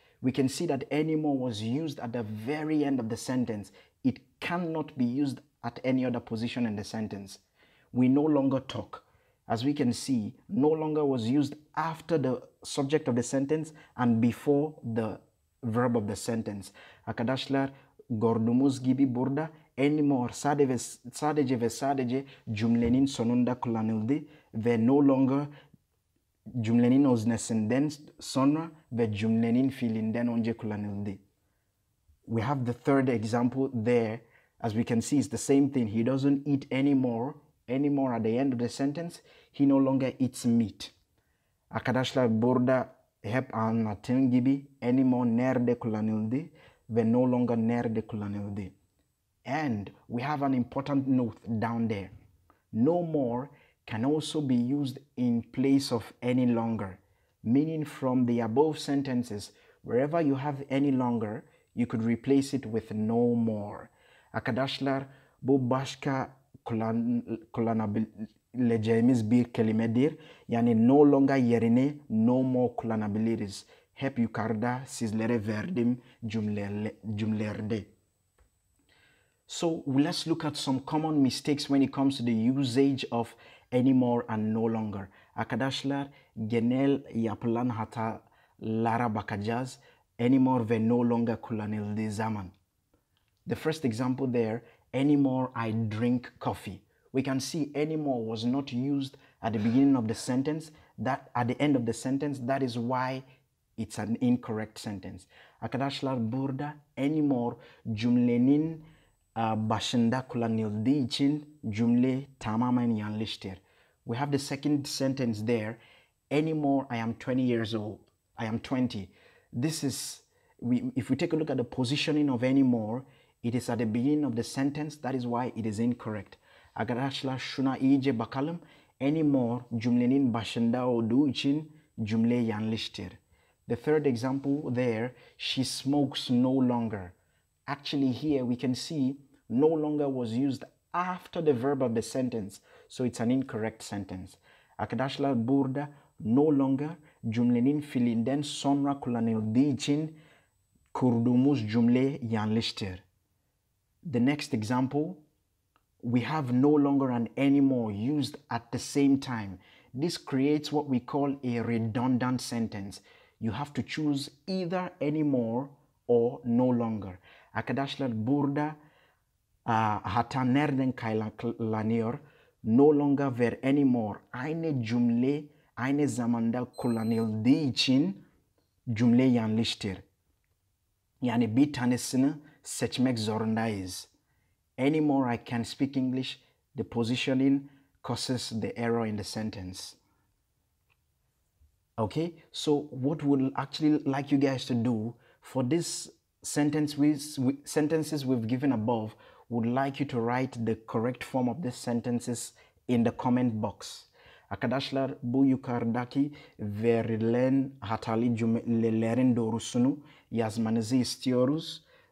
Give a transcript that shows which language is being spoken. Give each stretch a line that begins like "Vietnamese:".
English: We can see that anymore was used at the very end of the sentence. It cannot be used at any other position in the sentence. We no longer talk. As we can see, no longer was used after the subject of the sentence and before the verb of the sentence.
Turkish: Arkadaşlar, gördüğümüz gibi burada anymore sadece ve sadece cümlenin sonunda kullanıldı ve no longer cümlenin öznesinden sonra ve cümlenin fiilinden önce kullanıldı.
English: We have the third example there. As we can see, it's the same thing. He doesn't eat anymore at the end of the sentence. He no longer eats meat.
Turkish: Arkadaşlar, burada Hep anlattığım gibi anymore nerede kullanıldı ve no longer nerede kullanıldı.
English: And we have an important note down there. No more can also be used in place of any longer. Meaning from the above sentences, wherever you have any longer, you could replace it with no more.
Turkish: Arkadaşlar, bu başka kullanabileceğimiz bir kelimedir. Yani no longer yerine no more kullanabiliriz. Hep yukarıda sizlere verdiğim cümlelerde.
English: So let's look at some common mistakes when it comes to the usage of anymore and no longer.
Turkish: Arkadaşlar, genel yapılan hatalara bakacağız. Anymore ve no longer kullanıldığı zaman.
English: The first example there, anymore I drink coffee. We can see anymore was not used at the beginning of the sentence, that at the end of the sentence, that is why it's an incorrect sentence.
Turkish: Arkadaşlar, burada anymore cümlenin başında kullanıldığı için cümle tamamen yanlıştır.
English: We have the second sentence there. Anymore, I am 20 years old. I am 20. This is, if we take a look at the positioning of anymore, it is at the beginning of the sentence. That is why it is incorrect.
Turkish: Arkadaşlar, şuna iyice bakalım. Anymore cümlenin başında olduğu için cümle yanlıştır.
English: The third example there, she smokes no longer. Actually, here we can see no longer was used after the verb of the sentence, so it's an incorrect sentence.
Turkish: Arkadaşlar, burada no longer cümlenin fiilinden sonra kullanıldığı için kurduğumuz cümle yanlıştır.
English: The next example, we have no longer and anymore used at the same time. This creates what we call a redundant sentence. You have to choose either anymore or no longer.
Turkish: Arkadaşlar, burada hata nereden kaynaklanıyor? No longer ve anymore aynı cümle aynı zamanda kullanıldığı için cümle yanlıştır. Yani bir tanesini seçmek zorundayız.
English: Anymore I can speak English, the positioning causes the error in the sentence. Okay, so what would actually like you guys to do for this sentences we've given above, would like you to write the correct form of the sentences in the comment box.
Turkish: Arkadaşlar, bu yukarıdaki verilen hatalı cümlelerin doğrusunu yazmanızı istiyoruz.